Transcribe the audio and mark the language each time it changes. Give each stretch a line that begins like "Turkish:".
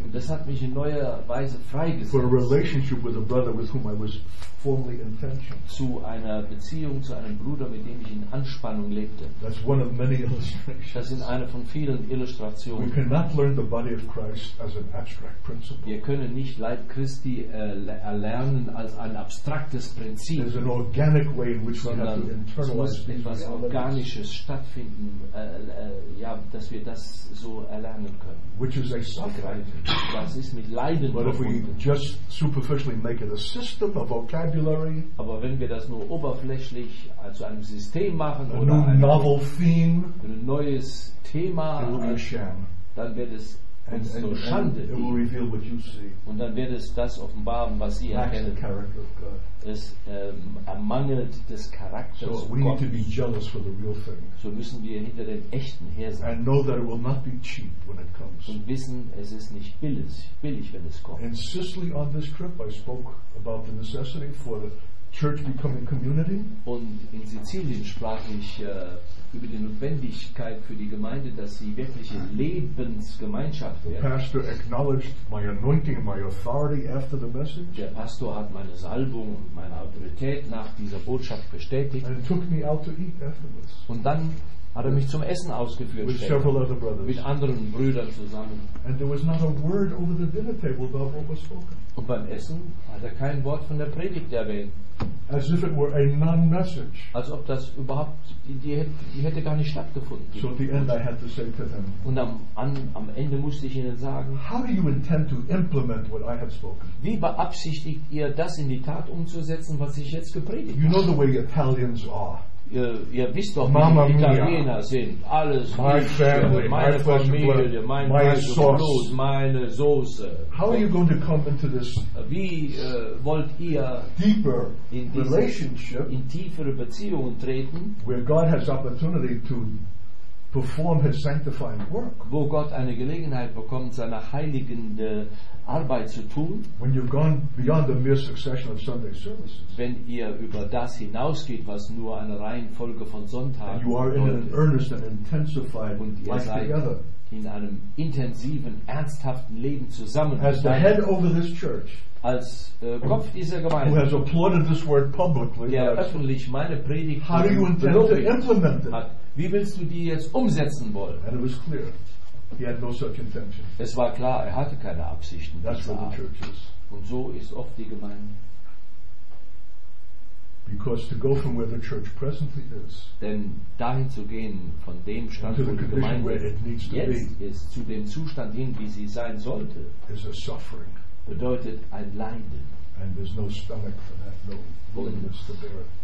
German: Und das hat mich in neuer Weise freigesetzt.
English: For a relationship with a brother with whom I was formerly in tension.
German: Zu einer Beziehung zu einem Bruder, mit dem ich in Anspannung lebte.
English: That's one of many illustrations.
German: Das sind eine von vielen Illustrationen.
English: We cannot learn the body of Christ as an abstract principle.
German: Wir können nicht Leib Christi erlernen als ein abstraktes Prinzip.
English: There's an organic way. Which we have to internalize,
German: es muss etwas Organisches stattfinden, ja, dass wir das so erlernen können.
English: Which is a suffering.
German: Das ist mit Leiden verbunden.
English: But if we just superficially make it a system, a vocabulary,
German: aber wenn wir das nur oberflächlich zu einem System machen,
English: a
German: oder
English: new novel theme,
German: ein neues Thema,
English: it will be a sham.
German: Dann wird es uns zur Schande dienen. Und dann wird es das offenbaren, was Sie erkennen. Es ermangelt des Charakters so Gottes.
English: We need to be jealous for the real thing.
German: So müssen wir hinter dem Echten her sein.
English: And know that it will not be cheap when it comes.
German: Und wissen, es ist nicht billig, wenn es kommt.
English: In Sicily on this trip, I spoke about the necessity for the church becoming community.
German: Und in Sizilien sprach ich über die Notwendigkeit für die Gemeinde, dass sie wirkliche Lebensgemeinschaft werden.
English: The pastor acknowledged my anointing and my authority after the message.
German: Der Pastor hat meine Salbung und meine Autorität nach dieser Botschaft bestätigt.
English: And took me out to eat afterwards.
German: Und dann hat er mich zum Essen ausgeführt,
English: with several other brothers,
German: mit anderen Brüdern zusammen.
English: And there was not a word over the dinner table about what was spoken.
German: Und beim Essen hat er kein Wort von der Predigt erwähnt.
English: As if it were a non-message.
German: Als ob das überhaupt, die hätte gar nicht stattgefunden.
English: So at the end I had to say to them,
German: und am Ende musste ich ihnen sagen,
English: how do you intend to implement what I have spoken?
German: Wie beabsichtigt ihr, das in die Tat umzusetzen, was ich jetzt gepredigt habe?
English: You know the way Italians are.
German: Ihr wisst doch, wie die Italiener sind. Alles meine Familie, mein Blut, meine Soße.
English: How are you going to come into this?
German: Wie wollt ihr
English: deeper in diese relationship,
German: in tiefere Beziehungen treten,
English: where God has opportunity to perform his sanctifying work?
German: Wo Gott eine Gelegenheit bekommt, seine heiligende Arbeit zu tun,
English: when you've gone beyond the mere succession of Sunday services,
German: wenn ihr über das hinausgeht, was nur eine Reihenfolge von Sonntagen,
English: you are in an earnest and intensified
German: und ihr
English: life
German: seid
English: together,
German: in einem intensiven, ernsthaften Leben zusammen,
English: as the head over this church,
German: als Kopf dieser Gemeinde,
English: who has applauded this word publicly,
German: der öffentlich meine Predigt,
English: how do you intend to implement it?
German: Hat. Wie willst du die jetzt umsetzen wollen?
English: And it was clear. He had no such intention.
German: Es war klar, er hatte keine Absichten.
English: That's what the church is.
German: Und so ist oft die Gemeinde.
English: Because to go from where the church presently is,
German: denn dahin zu gehen, von dem Stand, wo die Gemeinde
English: where it needs to
German: jetzt
English: be,
German: ist, zu dem Zustand hin, wie sie sein sollte,
English: is a suffering.
German: Bedeutet ein Leiden.
English: And there's no stomach for that, no willingness to bear it.